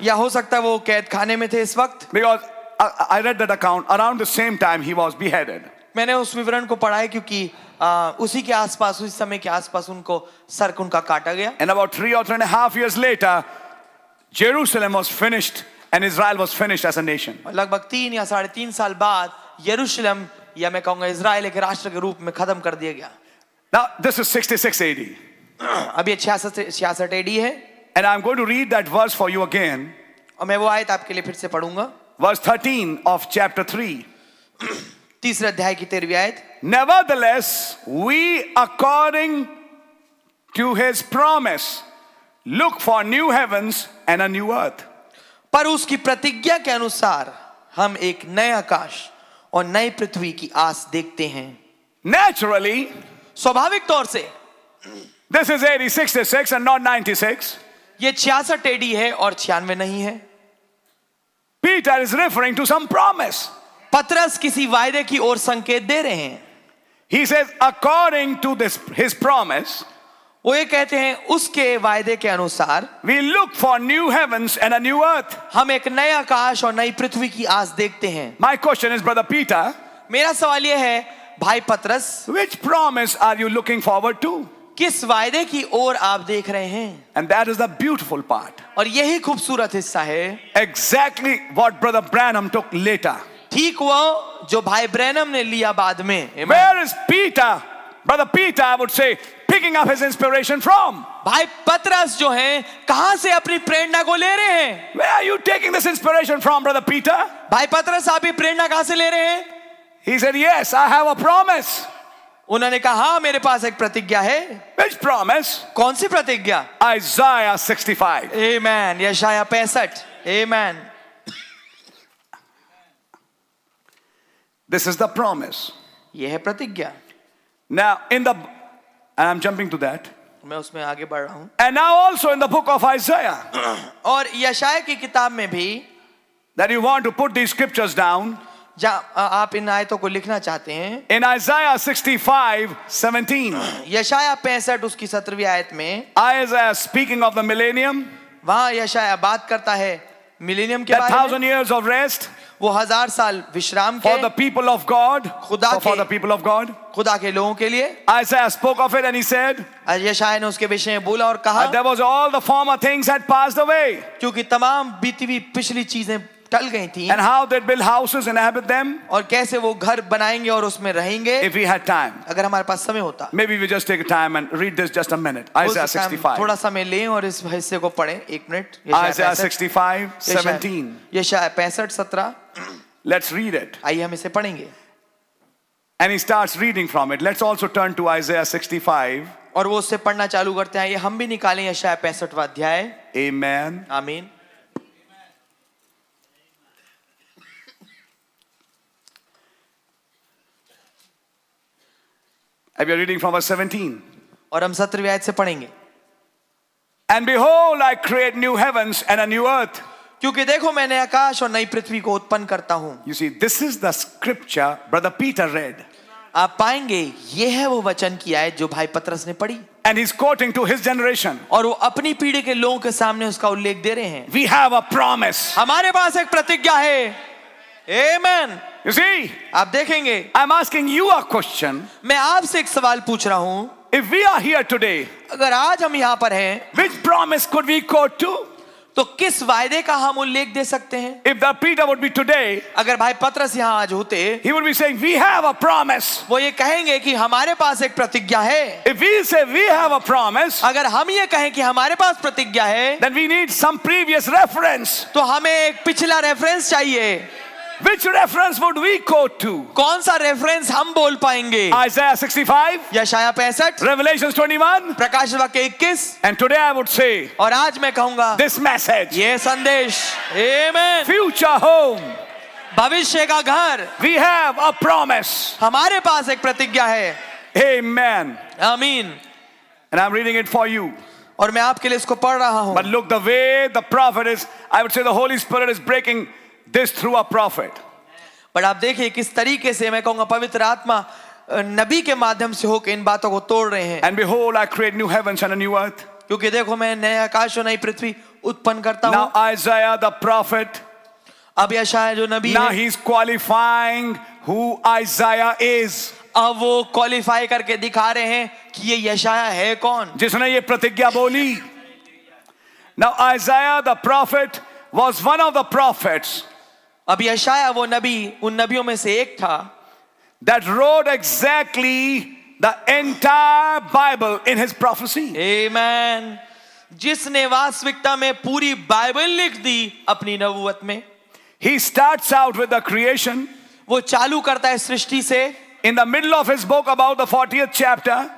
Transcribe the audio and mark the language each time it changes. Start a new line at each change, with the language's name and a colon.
Hindi: या हो सकता है वो कैद खाने में थे इस वक्त.
English: Because I read that account around the same time he was beheaded.
Hindi: मैंने उस विवरण को पढ़ा है क्योंकि उसी के आसपास उसी समय के आसपास उनको सर उनका काटा गया
English: and about 3 or 3.5 years later Jerusalem was finished and Israel was finished as a nation
Hindi: लगभग 3 या 3.5 साल बाद यरूशलेम या मैं कहूंगा इज़राइल एक राष्ट्र के रूप में खत्म कर दिया गया
English: now this is 66 AD
Hindi: अब ये 66 AD है
English: and I'm going to read that verse for you again
Hindi: और मैं वो आयत आपके लिए फिर से पढ़ूंगा
English: verse 13 of chapter 3
Hindi: तीसरे अध्याय की 13वीं आयत
English: Nevertheless, we according to his promise look for new heavens and a new earth.
Hindi: पर उसकी प्रतिज्ञा के अनुसार हम एक नए आकाश और नई पृथ्वी की आस देखते हैं.
English: Naturally,
Hindi: स्वाभाविक तौर से,
English: this is AD 66 and not 96.
Hindi: ये 66 AD है और 96 नहीं है.
English: Peter is referring to some promise.
Hindi: पत्रस किसी वायदे की ओर संकेत दे रहे हैं.
English: He says, according to this, his promise,
Hindi: वो ये कहते हैं उसके वायदे के अनुसार,
English: we look for new heavens and a new earth.
Hindi: हम एक नया आकाश और नई पृथ्वी की आस देखते हैं.
English: My question is, brother Peter,
Hindi: मेरा सवाल ये है, भाई पत्रस,
English: which promise are you looking forward to?
Hindi: किस वायदे की ओर आप देख रहे हैं?
English: And that is the beautiful part.
Hindi: और यही खूबसूरत हिस्सा है.
English: Exactly what brother Branham took later.
Hindi: ठीक वो जो भाई ब्रैनम ने लिया बाद में
English: Where is Peter? Brother Peter, I would say, picking up his inspiration from.
Hindi: भाई पत्रस जो है कहां से अपनी प्रेरणा को ले रहे हैं
English: Where are you taking this inspiration from, Brother Peter?
Hindi: भाई पत्रस आप प्रेरणा कहां से ले रहे हैं
English: He said, yes, I have a promise.
Hindi: उन्होंने कहा हाँ मेरे पास एक प्रतिज्ञा है
English: Which promise?
Hindi: कौन सी प्रतिज्ञा
English: Isaiah 65.
Hindi: Amen. यशाया 65. Amen.
English: This is the promise.
Hindi: यह है प्रतिज्ञा.
English: Now in the and I'm jumping to that.
Hindi: मैं उसमें आगे बढ़ रहा हूँ.
English: And now also in the book of Isaiah.
Hindi: और यशायाह की किताब में भी.
English: That you want to put these scriptures down.
Hindi: जहाँ आप इन आयतों को लिखना चाहते हैं.
English: In Isaiah 65:17.
Hindi: यशायाह 65 उसकी 17वीं आयत में.
English: Isaiah speaking of the millennium.
Hindi: वहाँ यशायाह बात करता है millennium के बारे में.
English: That 1,000 years of rest.
Hindi: वो हजार साल विश्राम
English: for the people of God,
Hindi: खुदा
English: for the people of God,
Hindi: खुदा के लोगों के लिए.
English: Isaiah spoke of it and he said,
Hindi: यशायाह ने उसके विषय में बोला और कहा,
English: there was all the former things had passed away,
Hindi: क्योंकि तमाम बीती हुई पिछली चीजें टल गई थीं.
English: And how they build houses and inhabit them,
Hindi: और कैसे वो घर बनाएंगे और उसमें रहेंगे.
English: If we had time,
Hindi: अगर हमारे पास समय होता,
English: maybe we just take time and read this just a minute. Isaiah 65.
Hindi: थोड़ा समय लें और इस हिस्से को पढ़ें एक मिनट.
English: Isaiah 65:17.
Hindi: यशायाह 65:17.
English: Let's read it.
Hindi: आइए हम इसे पढ़ेंगे.
English: And he starts reading from it. Let's also turn to Isaiah 65.
Hindi: और वो उससे पढ़ना चालू करते हैं. ये हम भी निकालें यशायाह 65वां अध्याय. Amen. Amen.
English: And we are reading from verse 17.
Hindi: और हम 17वीं आयत से पढ़ेंगे.
English: And behold, I create new heavens and a new earth.
Hindi: क्योंकि देखो मैं नया आकाश और नई पृथ्वी को उत्पन्न करता हूँ.
English: You see, this is the scripture Brother Peter read.
Hindi: आप पाएंगे ये है वो वचन की आयत जो भाई पत्रस ने पढ़ी.
English: And he's quoting to his generation.
Hindi: और वो अपनी पीढ़ी के लोगों के सामने उसका उल्लेख दे रहे हैं.
English: We have a promise.
Hindi: हमारे पास एक प्रतिज्ञा है. Amen.
English: You see,
Hindi: आप देखेंगे.
English: I'm asking you a question.
Hindi: मैं आपसे एक सवाल पूछ रहा हूँ.
English: If we are here today,
Hindi: अगर आज हम यहाँ पर हैं,
English: which promise could we quote to?
Hindi: तो किस वायदे का हम उल्लेख दे सकते हैं?
English: If the Peter would be today,
Hindi: अगर भाई पत्रस यहाँ आज होते,
English: he would be saying, we have a promise.
Hindi: वो ये कहेंगे कि हमारे पास एक प्रतिज्ञा है.
English: If we say we have a promise,
Hindi: अगर हम ये कहें कि हमारे पास प्रतिज्ञा है,
English: then we need some previous reference.
Hindi: तो हमें एक पिछला reference चाहिए.
English: Which reference would we quote to?
Hindi: कौन सा reference हम बोल पाएंगे?
English: Isaiah 65.
Hindi: यशाया 65.
English: Revelation 21.
Hindi: प्रकाश वाक्य 21.
English: And today I would say.
Hindi: और आज मैं कहूँगा.
English: This message.
Hindi: ये संदेश. Amen.
English: Future home.
Hindi: भविष्य का घर.
English: We have a promise.
Hindi: हमारे पास एक प्रतिज्ञा है. Amen. Amen.
English: And I'm reading it for you.
Hindi: और मैं आपके लिए इसको पढ़ रहा हूँ.
English: But look, the way the prophet is, I would say the Holy Spirit is breaking. This through a prophet.
Hindi: But आप देखिए किस तरीके से मैं कहूँगा पवित्र आत्मा नबी के माध्यम से होकर इन बातों को तोड़ रहे हैं.
English: And behold, I create new heavens and a new earth.
Hindi: क्योंकि देखो मैं नया आकाश और नई पृथ्वी उत्पन्न करता हूँ.
English: Now Isaiah the prophet.
Hindi: अब यशायाह जो नबी.
English: Now he's qualifying who Isaiah is.
Hindi: अब वो qualify करके दिखा रहे हैं कि ये यशायाह है कौन. जिसने ये प्रतिज्ञा बोली.
English: Now Isaiah the prophet was one of the prophets.
Hindi: अब यशाया वो नबी उन नबियों में से एक था.
English: That wrote exactly the entire Bible in his prophecy. Amen.
Hindi: जिसने वास्तविकता में पूरी बाइबल लिख दी अपनी नबुवत में.
English: He starts out with the creation.
Hindi: वो चालू करता है सृष्टि से.
English: In the middle of his book about the 40th chapter.